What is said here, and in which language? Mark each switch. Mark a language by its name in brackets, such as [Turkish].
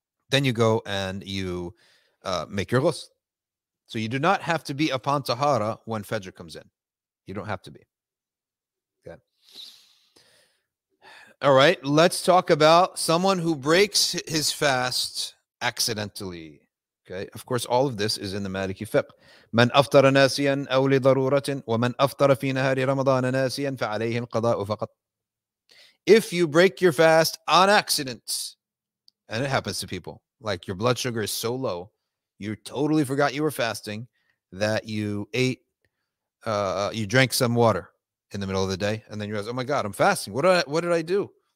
[English] Then you go and you make your ghusl. So you do not have to be upon tahara when Fajr comes in. You don't have to be. All right, let's talk about someone who breaks his fast accidentally. Okay, of course, all of this is in the Maliki fiqh. [Arabic] من أفطر ناسيا أو لضرورة ومن أفطر في نهار رمضان ناسيا فعليه القضاء فقط. [English] If you break your fast on accident, and it happens to people, like your blood sugar is so low, you totally forgot you were fasting, that you ate, you drank some water in the middle of the day, and then you realize, oh my God, I'm fasting. What did I do?